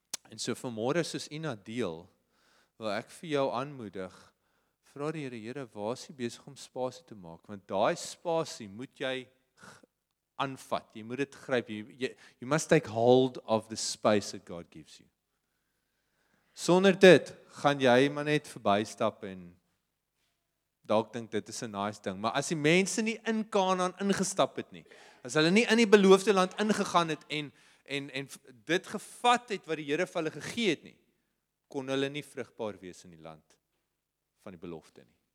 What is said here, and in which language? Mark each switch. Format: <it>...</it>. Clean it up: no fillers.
<af>En so vanmôre soos Ina deel, wil ek vir jou aanmoedig, vra die Here, waar is jy besig om spasie te maak? Want daai spasie moet jy aanvat. Jy moet dit gryp.</af> <en>You must take hold of the space that God gives you.</en> <af>Sonder dit, gaan jy maar net verbystap en dalk dink dit is 'n nice ding. Maar as die mense nie in Kanaan ingestap het nie, as hulle nie in die beloofde land ingegaan het en dit gevat het wat die Here vir hulle gegee het nie, kon hulle nie vrugbaar wees in die land van die belofte nie.</af>